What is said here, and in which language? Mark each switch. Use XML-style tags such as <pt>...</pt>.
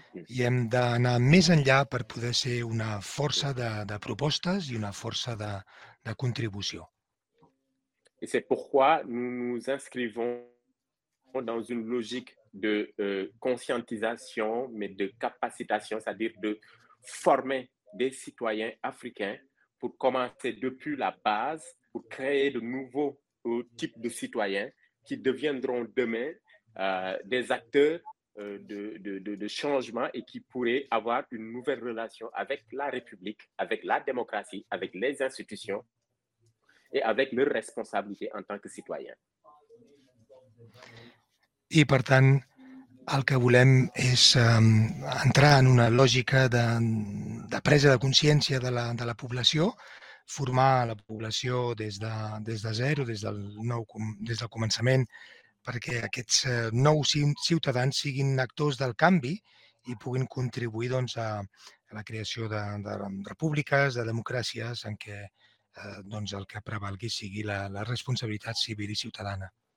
<ca>I hem d'anar més enllà per poder ser una força de propostes i una força de contribució.</ca> <fr>Et c'est pourquoi nous nous inscrivons dans une logique de conscientisation, mais de capacitation, c'est-à-dire de former des citoyens africains pour commencer depuis la base, pour créer de nouveaux types de citoyens qui deviendront demain des acteurs de changement et qui pourraient avoir une nouvelle relation avec la République, avec la démocratie, avec les institutions et avec leurs responsabilités en tant que citoyens.</fr> <ca>I per tant, el que volem és entrar en una lògica de presa de consciència de la població, formar la població des de zero, des del començament, perquè aquests nous ciutadans siguin actors del canvi i puguin contribuir doncs, a la creació de repúbliques, de democràcies, en què doncs, el que prevalgui sigui la responsabilitat civil i ciutadana.</ca>